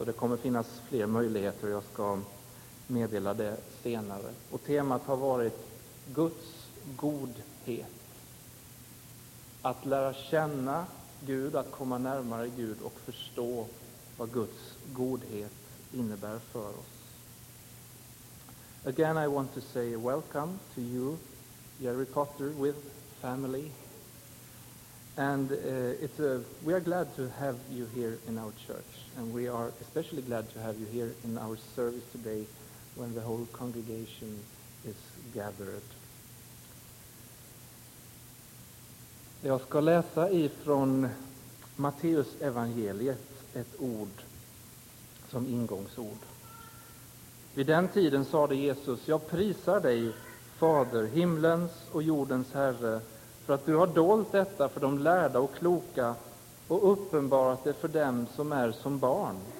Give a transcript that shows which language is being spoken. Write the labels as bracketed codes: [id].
[sv] Och det kommer finnas fler möjligheter, jag ska meddela det senare. Och temat har varit Guds godhet. Att lära känna Gud, att komma närmare Gud och förstå vad Guds godhet innebär för oss. [en] Again, I want to say welcome to you, Jerry Potter, with family. And we are glad to have you here in our church. And we are especially glad to have you here in our service today when the whole congregation is gathered. [sv] Jag ska läsa ifrån Matteus evangeliet ett ord som ingångsord. Vid den tiden sade Jesus: jag prisar dig, Fader, himlens och jordens Herre, för att du har dolt detta för de lärda och kloka och uppenbarat det för dem som är som barn.